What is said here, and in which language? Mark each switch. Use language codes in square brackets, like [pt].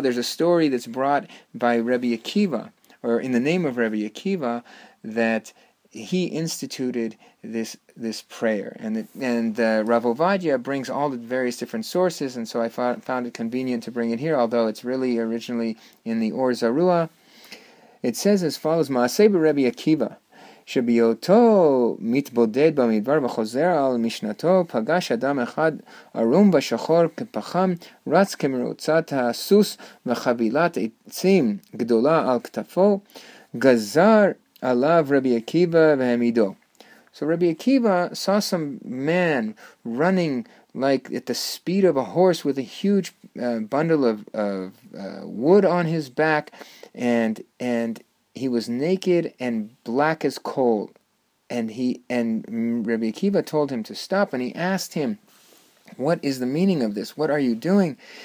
[en] There's a story that's brought by Rabbi Akiva, or in the name of Rabbi Akiva, that he instituted this prayer. And Rav Ovadia brings all the various different sources, and so I found it convenient to bring it here, although it's really originally in the Or Zeruah. It says as follows, Ma'aseh b'Rabbi Akiva. [he] שביותו מתבודד במדבר וחוזר על משנתו, פגש אדם אחד ערום ושחור כפחם, רץ כמרוצת הסוס וחבילת עצים גדולה על כתפו, גזר עליו רבי עקיבא והמידו. [en] So Rabbi Akiva saw some man running like at the speed of a horse with a huge bundle of wood on his back, and he was naked and black as coal, and Rabbi Akiva told him to stop, and he asked him, what is the meaning of this? What are you doing?